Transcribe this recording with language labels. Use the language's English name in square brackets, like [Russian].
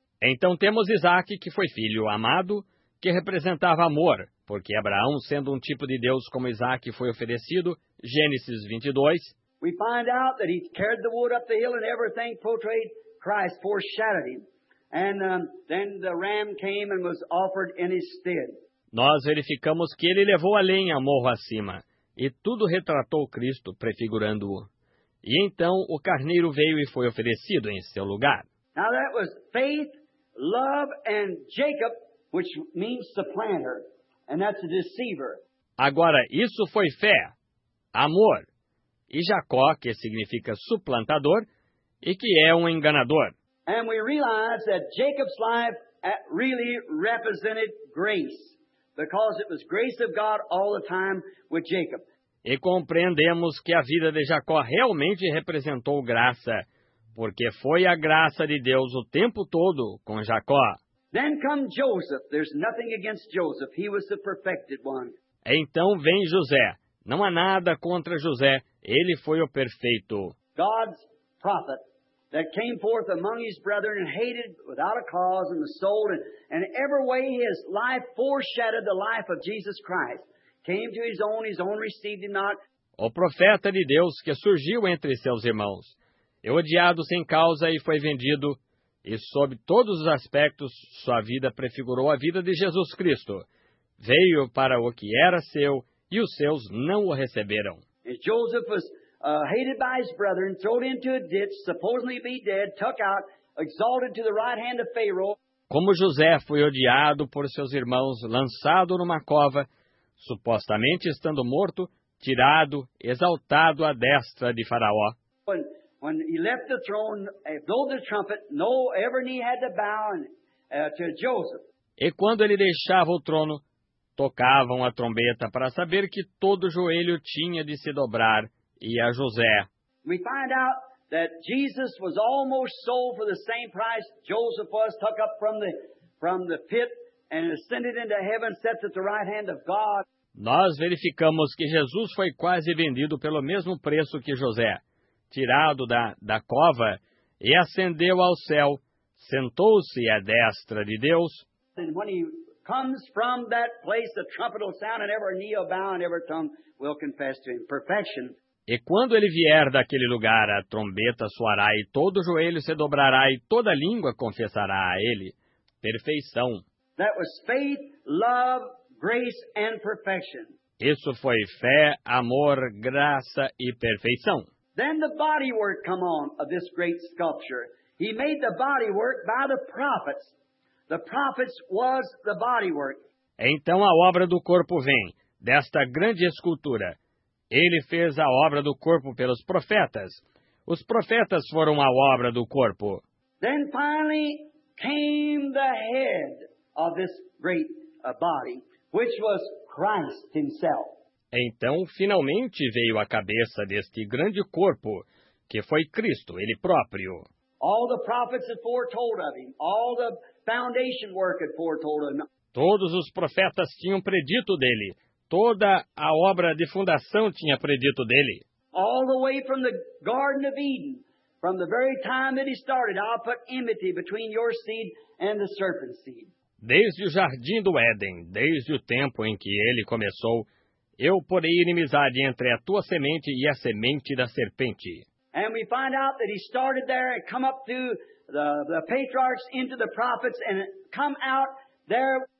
[Portuguese] Então temos Isaac, que foi filho amado, que representava amor, porque Abraão, sendo um tipo de Deus como Isaac, foi oferecido, Gênesis 22. [English] We find out that he carried the wood up the hill and everything portrayed Christ, foreshadowed him. And then the ram came and was offered in his stead. [Portuguese] Nós verificamos que ele levou a lenha morro acima, e tudo retratou Cristo, prefigurando-o. E então o carneiro veio e foi oferecido em seu lugar. [English] Now that was faith, love, and Jacob, which means supplanter, and that's a deceiver. [Portuguese] Agora, isso foi fé, amor, e Jacó, que significa suplantador, e que é um enganador. [English] And we realize that Jacob's life really represented grace, because it was grace of God all the time with Jacob. [Portuguese] E compreendemos que a vida de Jacó realmente representou graça, porque foi a graça de Deus o tempo todo com Jacó. [English] Then come Joseph. There's nothing against Joseph. He was the perfected one. [Portuguese] Então vem José. Não há nada contra José. Ele foi o perfeito. [English] God's prophet that came forth among his brethren and hated without a cause and was sold and every way his life foreshadowed the life of Jesus Christ. Came to his own received him not. [Portuguese] O profeta de Deus que surgiu entre seus irmãos, e odiado sem causa e foi vendido, e sob todos os aspectos, sua vida prefigurou a vida de Jesus Cristo. Veio para o que era seu, e os seus não o receberam. [English] Joseph was hated by his brethren, thrown into a ditch, supposedly be dead, took out, exalted to the right hand of Pharaoh. [Portuguese] Como José foi odiado por seus irmãos, lançado numa cova, supostamente estando morto, tirado, exaltado à destra de Faraó. [English] When he left the throne, blew the trumpet, no ever knee had to bow to Joseph. [Portuguese] E quando ele deixava o trono, tocavam a trombeta para saber que todo joelho tinha de se dobrar, e a José. [English] We find out that Jesus was almost sold for the same price Joseph was, took up from the pit and ascended into heaven, set at the right hand of God. [Portuguese] Nós verificamos que Jesus foi quase vendido pelo mesmo preço que José, tirado da cova, e ascendeu ao céu, sentou-se à destra de Deus. [English] And when he comes from that place, the trumpet will sound, and every knee will bow, and every tongue will confess to him. Perfection. [Portuguese] E quando ele vier daquele lugar, a trombeta soará, e todo joelho se dobrará, e toda língua confessará a ele. Perfeição. [English] That was faith, love, grace, and perfection. [Portuguese] Isso foi fé, amor, graça e perfeição. [English] Then the bodywork come on of this great sculpture. He made the bodywork by the prophets. The prophets was the bodywork. [Portuguese] Então a obra do corpo vem desta grande escultura. Ele fez a obra do corpo pelos profetas. Os profetas foram a obra do corpo. [English] Then finally came the head of this great body, which was Christ himself. [Portuguese] Então, finalmente, veio a cabeça deste grande corpo, que foi Cristo, ele próprio. [English] All the prophets had foretold of him. All the foundation work had foretold of him. [Portuguese] Todos os profetas tinham predito dele. Toda a obra de fundação tinha predito dele. [English] All the way from the Garden of Eden, from the very time that he started, I'll put enmity between your seed and the serpent's seed. [Portuguese] Desde o Jardim do Éden, desde o tempo em que ele começou, eu porei inimizade entre a tua semente e a semente da serpente. [English] And we find out that he started there and come up through the patriarchs into the prophets and come out there.